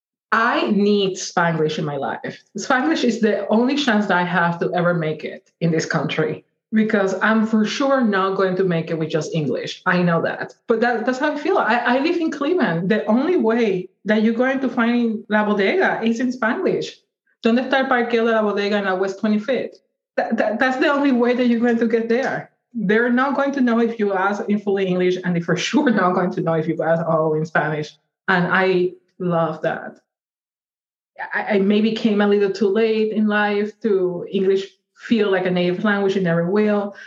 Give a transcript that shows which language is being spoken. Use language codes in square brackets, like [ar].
[en] I need Spanglish in my life. Spanglish is the only chance that I have to ever make it in this country, because I'm for sure not going to make it with just English. I know that. But that's how I feel. I live in Cleveland. The only way that you're going to find La Bodega is in Spanglish. [es] ¿Dónde está el parque de La Bodega en la West 25th? [en] That's the only way that you're going to get there. They're not going to know if you ask in fully English, and they're for sure not going to know if you ask all in Spanish. And I love that. I maybe came a little too late in life to English feel like a native language, it never will.